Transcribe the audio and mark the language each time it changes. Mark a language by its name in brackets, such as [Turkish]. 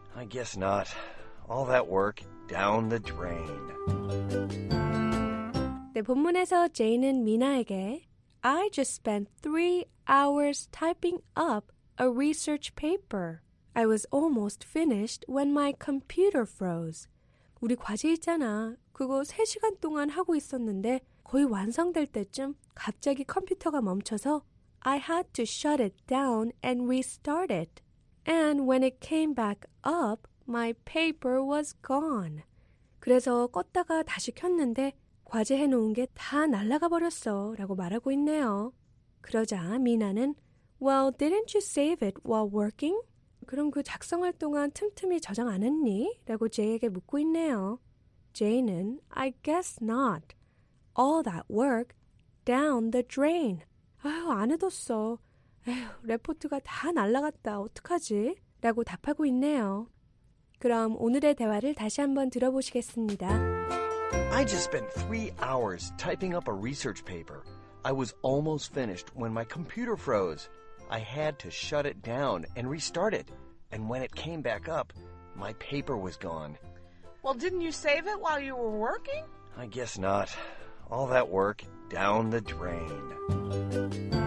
[English] I guess not. All that work down the drain. [Korean] 네, 본문에서 제인은 미나에게 [English] I just spent 3 hours typing up a research paper. I was almost finished when my computer froze. [Korean] 우리 과제 있잖아. 그거 3시간 동안 하고 있었는데 거의 완성될 때쯤 갑자기 컴퓨터가 멈춰서 [English] I had to shut it down and restart it. And when it came back up, my paper was gone. [Korean] 그래서 껐다가 다시 켰는데 과제해놓은 게 다 날아가 버렸어 라고 말하고 있네요. 그러자 미나는 [English] Well, didn't you save it while working? [Korean] 그럼 그 작성할 동안 틈틈이 저장 안 했니? 라고 제이에게 묻고 있네요. [English] 제이는 I guess not. All that work down the drain. [Korean] 아휴, 안 해뒀어. 에휴, 레포트가 다 날라갔다. 어떡하지? 라고 답하고 있네요. 그럼 오늘의 대화를 다시 한번 들어보시겠습니다. [English] I just spent 3 hours typing up a research paper. I was almost finished when my computer froze. I had to shut it down and restart it. And when it came back up, my paper was gone. Well, didn't you save it while you were working? I guess not. All that work down the drain.